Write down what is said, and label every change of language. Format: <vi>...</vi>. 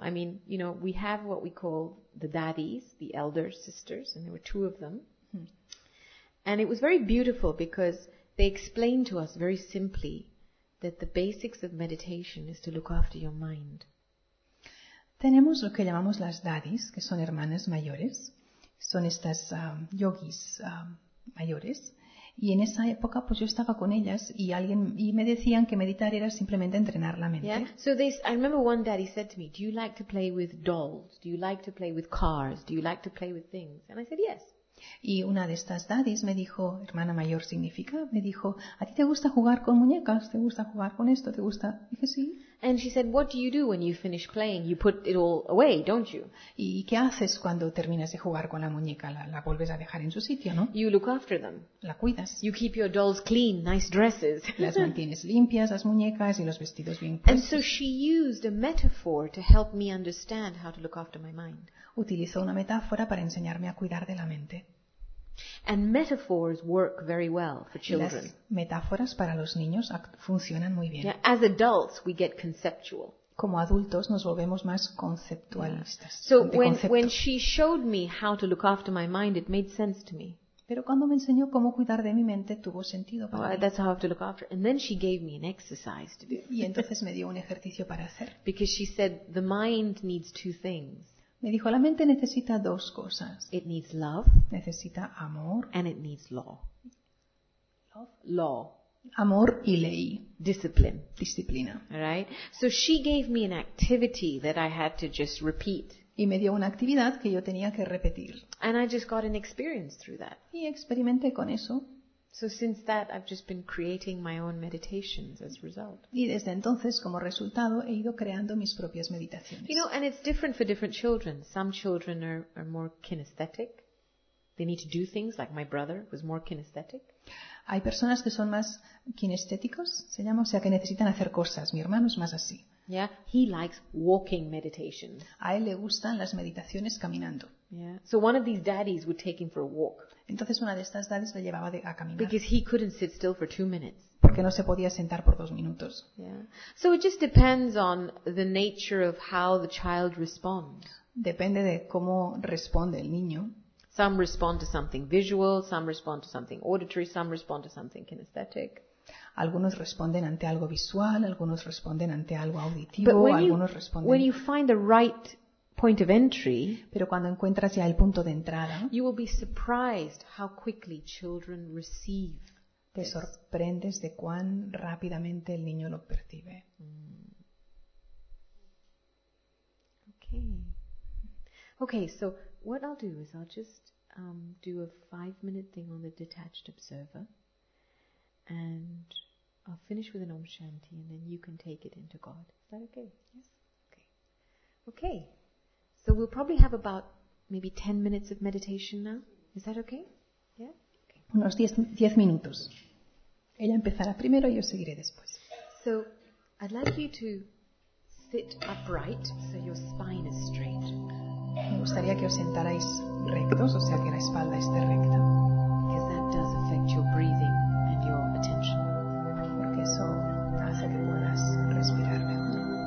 <en>I mean, you know, we have what we call the daddies, the elder sisters, and there were 2 of them. And it was very beautiful because they explained to us very simply that the basics of meditation is to look after your mind.</en> <es>Tenemos lo que llamamos las dadis, que son hermanas mayores. Son estas yogis mayores. Y en esa época, pues yo estaba con ellas y me decían que meditar era simplemente entrenar la mente.</es> <en>Yeah. So I remember one daddy said to me, "Do you like to play with dolls? Do you like to play with cars? Do you like to play with things?" And I said, "Yes."</en> <es>Y una de estas dadis me dijo, hermana mayor significa, me dijo, ¿a ti te gusta jugar con muñecas? ¿Te gusta jugar con esto? ¿Te gusta? Y dije, sí.</es> <en>And she said, what do you do when you finish playing? You put it all away, don't you?</en> <es>¿Y qué haces cuando terminas de jugar con la muñeca? La vuelves a dejar en su sitio, ¿no?</es> <en>You look after them.</en> <es>La cuidas.</es> <en>You keep your dolls clean, nice dresses.</en> <es>Las mantienes limpias, las muñecas y los vestidos bien puestos.</es> <en>And so she used a metaphor to help me understand how to look after my mind.</en> <es>Utilizó una metáfora para enseñarme a cuidar de la mente.</es> <en>And metaphors work very well for children.</en> <es>Las metáforas para los niños funcionan muy bien.</es> <en>Yeah, as adults, we get conceptual.</en> <es>Como adultos, nos volvemos más conceptualistas.</es> <en>So when she showed me how to look after my mind, it made sense to me.</en> <es>Pero cuando me enseñó cómo cuidar de mi mente, tuvo sentido para mí.</es> <en>That's how I have to look after. And then she gave me an exercise to do.</en> <es>Y entonces me dio un ejercicio para hacer.</es> <en>Because she said the mind needs 2 things.</en> <es>Me dijo, la mente necesita 2 cosas.</es> <en>It needs love.</en> <es>Necesita amor.</es> <en>And it needs law. Love? Law.</en> <es>Amor y ley.</es> <en>Discipline.</en> <es>Disciplina.</es> <en>All right? So she gave me an activity that I had to just repeat.</en> <es>Y me dio una actividad que yo tenía que repetir.</es> <en>And I just got an experience through that.</en> <es>Y experimenté con eso.</es> <en>So since that, I've just been creating my own meditations as a result.</en> <es>Y desde entonces, como resultado, he ido creando mis propias meditaciones.</es> <en>You know, and it's different for different children. Some children are more kinesthetic. They need to do things, like my brother was more kinesthetic.</en> <es>Hay personas que son más kinestéticos, se llama, o sea, que necesitan hacer cosas. Mi hermano es más así.</es> <en>Yeah, he likes walking meditations.</en> <es>A él le gustan las meditaciones caminando.</es> <en>Yeah. So one of these daddies would take him for a walk.</en> <es>Entonces una de estas dadis le llevaba a caminar.</es> <en>Because he couldn't sit still for 2 minutes.</en> <es>Porque no se podía sentar por 2 minutos.</es> <en>Yeah. So it just depends on the nature of how the child responds.</en> <es>Depende de cómo responde el niño.</es> <en>Some respond to something visual, some respond to something auditory, some respond to something kinesthetic.</en> <es>Algunos responden ante algo visual, algunos responden ante algo auditivo, algunos responden.</es> <en>When you find the right point of entry,</en> <es>pero cuando encuentras ya el punto de entrada,</es> <en>you will be surprised how quickly children receive.</en> <es>Te sorprendes de cuán rápidamente el niño lo percibe.</es> <en>Okay. So what I'll do is I'll just do a 5-minute thing on the detached observer, and I'll finish with an Om Shanti, and then you can take it into God. Is that okay? Yes. Okay. So we'll probably have about maybe 10 minutes of meditation now. Is that okay? Yeah?</en> <es>Unos 10 minutos. Ella empezará primero y yo seguiré después.</es> <en>So I'd like you to sit upright so your spine is straight.</en> <es>Me gustaría que os sentarais rectos, o sea que la espalda esté recta.</es> <en>Because that does affect your breathing and your attention.</en> <es>Porque eso hace que puedas respirar mejor.</es>